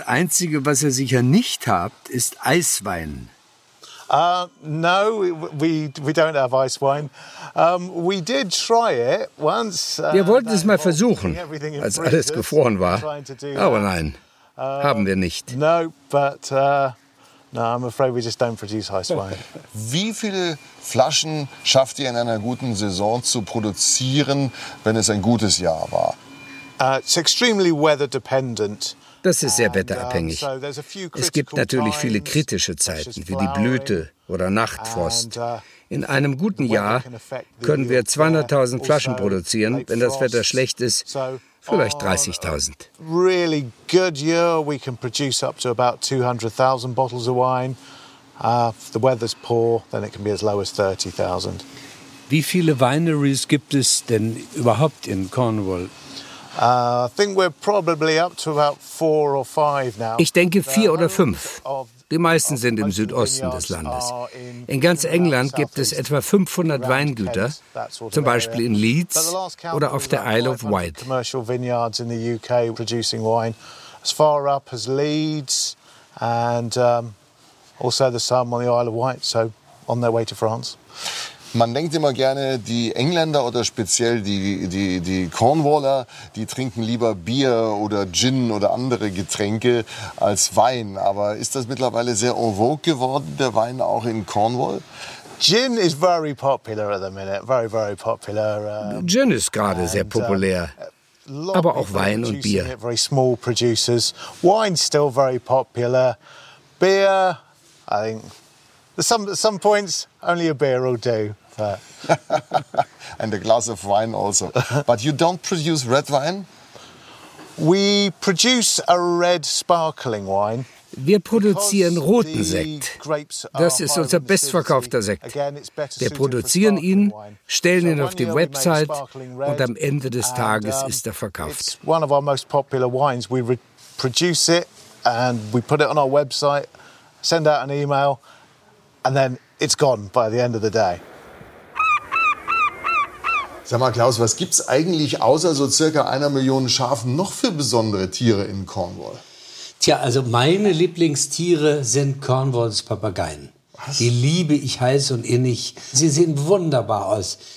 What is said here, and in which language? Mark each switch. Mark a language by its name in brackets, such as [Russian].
[German] Einzige, was ihr sicher nicht habt, ist Eiswein. [English] No, we don't have ice wine. We did try it once. [German] Wir wollten es mal versuchen, als alles gefroren war. Aber nein, haben wir nicht. [English] No, I'm afraid we just don't produce ice wine. [German] Wie viele Flaschen schafft ihr in einer guten Saison zu produzieren, wenn es ein gutes Jahr war? [English] It's extremely weather dependent. [German] Das ist sehr wetterabhängig. Es gibt natürlich viele kritische Zeiten, wie die Blüte oder Nachtfrost. In einem guten Jahr können wir 200.000 Flaschen produzieren, wenn das Wetter schlecht ist, vielleicht 30.000. [English] Really good year, we can produce up to about 200.000 bottles of wine. If the weather's poor, then it can be as low as 30.000. [German] Wie viele Wineries gibt es denn überhaupt in Cornwall? [English] I think we're probably up to about 4 or 5 now. [German] Ich denke 4 oder 5. Die meisten sind im Südosten des Landes. In ganz England gibt es etwa 500 Weingüter, zum Beispiel in Leeds oder auf der Isle of Wight. [English] Commercial vineyards in the UK producing wine as far up as Leeds and also the some on the Isle of Wight, so on their way to France. [German] Man denkt immer gerne, die Engländer oder speziell die Cornwaller, die trinken lieber Bier oder Gin oder andere Getränke als Wein. Aber ist das mittlerweile sehr en vogue geworden, der Wein auch in Cornwall? [English] Gin is very popular at the minute, very, very popular. [German] Gin ist gerade sehr populär. Aber auch Wein und Bier. [English] Very small producers. Wine still very popular. Beer, I think. Some points only a beer will do. And a glass of wine also. But you don't produce red wine? We produce a red sparkling wine. [German] Wir produzieren roten Sekt. Das ist unser bestverkaufter Sekt. Wir produzieren ihn, stellen ihn auf die Website und am Ende des Tages ist er verkauft. [English] It's one of our most popular wines. We produce it and we put it on our website, send out an email. And then it's gone by the end of the day. [German] Sag mal, Klaus, was gibt's eigentlich außer so circa 1 Million Schafen noch für besondere Tiere in Cornwall? Tja, also meine Lieblingstiere sind Cornwalls Papageien. Was? Die liebe ich heiß und innig. Sie sehen wunderbar aus.